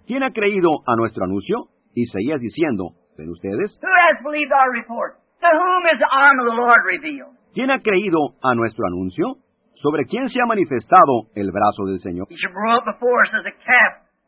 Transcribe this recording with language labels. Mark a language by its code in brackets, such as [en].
[es] ¿quién ha creído a nuestro anuncio? Isaías diciendo, ¿ven ustedes? [en] Who has believed our report? To whom is the arm of the Lord revealed? [es] ¿Quién ha creído a nuestro anuncio? ¿Sobre quién se ha manifestado el brazo del Señor? [en] He shall grow up before us as a calf.